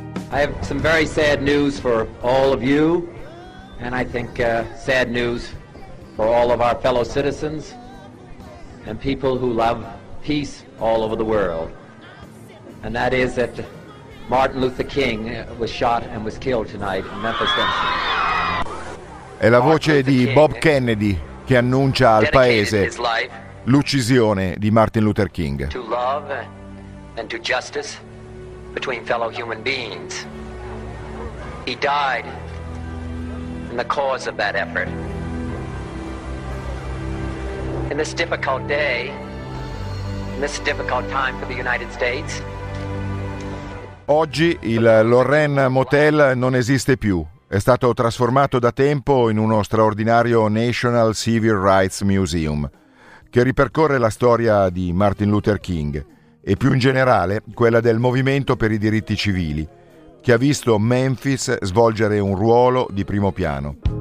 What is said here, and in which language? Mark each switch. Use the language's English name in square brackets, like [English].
[English] I have some very sad news for all of you, and I think sad news for all of our fellow citizens and people who love peace all over the world. And that is that Martin Luther King was shot and was killed tonight in Memphis, Tennessee. [Italian] È la voce di Bob Kennedy che annuncia al paese l'uccisione di Martin Luther King. [English] To love and to justice between fellow human beings. He died in the cause of that effort. In this difficult day, in this difficult time for the United States. [Italian] Oggi il Lorraine Motel non esiste più. È stato trasformato da tempo in uno straordinario National Civil Rights Museum che ripercorre la storia di Martin Luther King e più in generale quella del Movimento per i Diritti Civili, che ha visto Memphis svolgere un ruolo di primo piano.